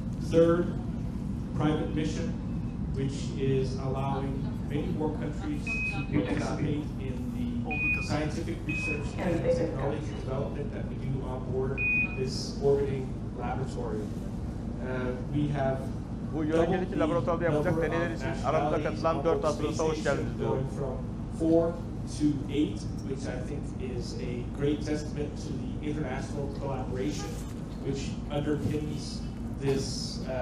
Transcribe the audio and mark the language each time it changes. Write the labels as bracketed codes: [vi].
[en] third private mission, which is allowing many more countries to participate in the scientific research and technology development that we do on board this orbiting laboratory. We have [tr] bu yörüngedeki laboratuvarda yapacak deneyler için aramızda katılan 4 astronota hoş geldiniz diyorum. [en] Going from 4 to 8, which I think is a great testament to the international collaboration which underpins this